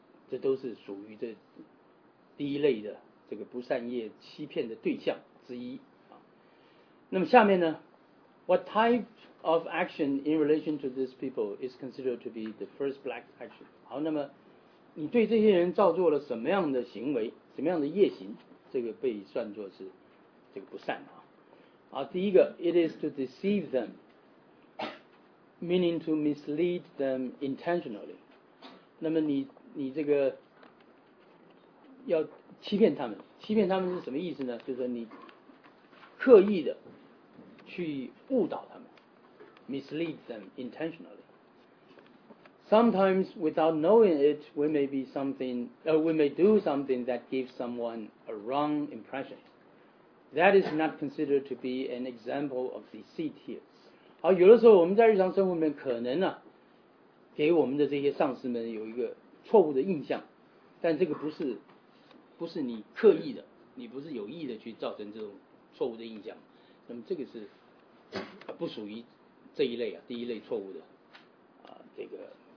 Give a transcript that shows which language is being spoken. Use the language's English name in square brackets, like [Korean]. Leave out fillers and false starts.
[Chinese] 这都是属于这第一类的这个不善业欺骗的对象之一啊。那么下面呢 [English] ，What type of action in relation to these people is considered to be the first black action？ [Chinese] 好，那么你对这些人造作了什么样的行为，什么样的业行？这个被算作是这个不善啊。 [English] 啊， [Chinese] 第一个 [English] ，it is to deceive them， meaning to mislead them intentionally。 [Chinese] 那么你这个要欺骗他们，欺骗他们是什么意思呢？就是说你刻意的去误导他们 ， [English] mislead them intentionally。 Sometimes without knowing it, we may do something that gives someone a wrong impression. That is not considered to be an example of deceit here. [Chinese] 好，有的时候我们在日常生活里面可能呢、啊，给我们的这些上司们有一个错误的印象，但这个不是你刻意的，你不是有意的去造成这种错误的印象，那么这个是不属于这一类啊，第一类错误的啊，这个。